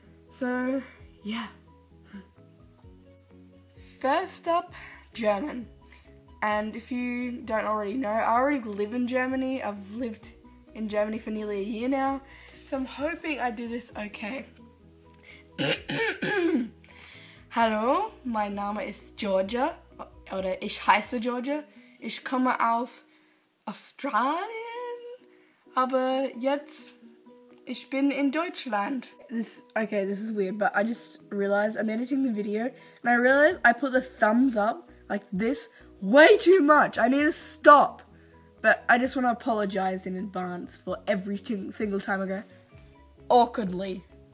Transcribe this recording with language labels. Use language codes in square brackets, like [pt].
[en] So, yeah. First up, German. And if you don't already know, I already live in Germany. I've lived in Germany for nearly a year now. So I'm hoping I do this okay. [de] Hallo, mein Name ist Georgia. Oder ich heiße Georgia. Ich komme aus Australien. Aber jetzt, ich bin in Deutschland. [en] This is weird, but I just realized I'm editing the video and I realized I put the thumbs up like this way too much. I need to stop. But I just want to apologize in advance for every single time I go awkwardly.